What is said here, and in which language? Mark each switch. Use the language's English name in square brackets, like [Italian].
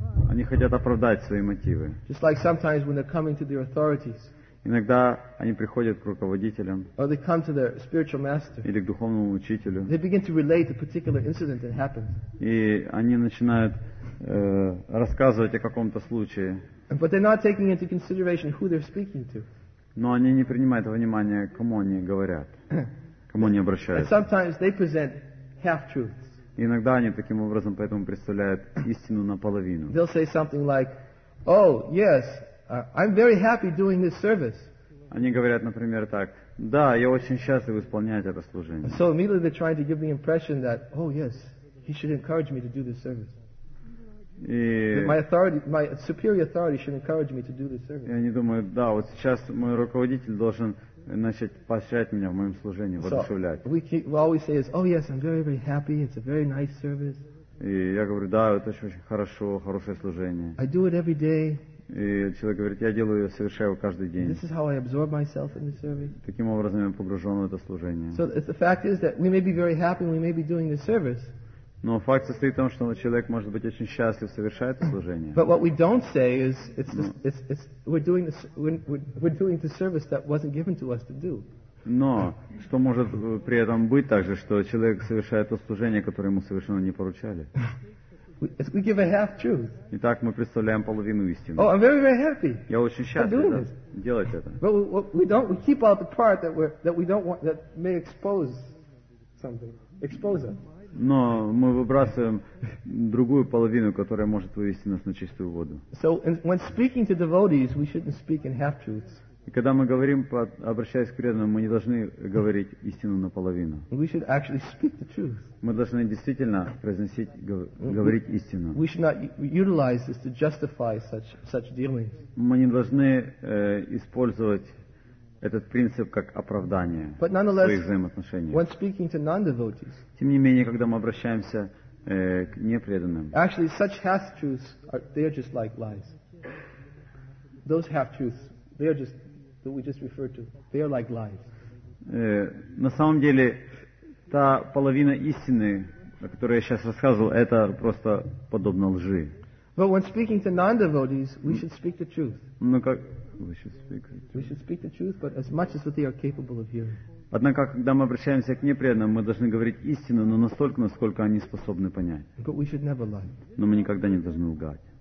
[Russian] Они хотят оправдать свои мотивы. [English] Just like sometimes when they're coming to the authorities. [Russian] Иногда они приходят к руководителям. [English] Or they come to their spiritual master. [Russian] Или к духовному учителю. [English] They begin to relate a particular incident that happened. [Russian] И они начинают рассказывать о каком-то случае. [English] But they're not taking into consideration who they're speaking to. [Russian] Но они не принимают во внимание, кому они говорят, кому они обращаются. [English] And sometimes they present half-truths. [Russian] Иногда они таким образом поэтому представляют истину наполовину. [English] They'll say something like, "Oh, yes, I'm very happy doing this service." [Russian] Они говорят, например, так: "Да, я очень счастлив исполнять это служение." [English] So immediately they're trying to give the impression that, "Oh, yes, he should encourage me to do this service." My superior authority should encourage me to do this service. [Russian] И они думают, да, вот сейчас мой руководитель должен начать поощрять меня в моем служении, воодушевлять. [English] We always say is, "Oh yes, I'm very, very happy. It's a very nice service." [Russian] И я говорю, да, это очень, очень хорошо, хорошее служение. [English] I do it every day. [Russian] И человек говорит, я делаю, совершаю каждый день. [English] This is how I absorb myself in the service. [Russian] Таким образом я погружен в это служение. [English] So the fact is that we may be very happy, we may be doing the service. [Russian] Но факт состоит в том, что человек может быть очень счастлив, совершает служение. [English] But what we don't say is it's we're doing this we're doing the service that wasn't given to us to do. [Russian] Но что может при этом быть также, что человек совершает то служение, которое ему совершенно не поручали? [English] We give a half truth. [Russian] Итак, мы представляем половину истины. [English] Oh, I'm very, very happy. [Russian] Я очень счастлив делать это. [English] But we keep out the part that may expose something. Expose us. [Russian] Но мы выбрасываем другую половину, которая может вывести нас на чистую воду. [English] So, when speaking to devotees, we shouldn't speak in half-truths. [Russian] Когда мы говорим, обращаясь к преданным, мы не должны говорить истину наполовину. [English] We should actually speak the truth. [Russian] Мы должны действительно говорить истину. [English] We should not utilize this to justify such dealings. [Russian] Мы не должны использовать этот принцип как оправдание своих взаимоотношений. [English] When speaking to non-devotees, [Russian] тем не менее, когда мы обращаемся к непреданным. [English] Actually, such half-truths, they are just like lies. Those half-truths, they are just, that we just referred to, they are like lies. [Russian] На самом деле, та половина истины, о которой я сейчас рассказывал, это просто подобно лжи. [English] But when speaking to non-devotees, we should speak the truth. [Russian] Ну как? [English] We should speak the truth. We should speak the truth, but as much as what they are capable of hearing. [Russian] Однако, когда мы обращаемся к непреданным, мы должны говорить истину, но настолько, насколько они способны понять. Но мы никогда не должны лгать.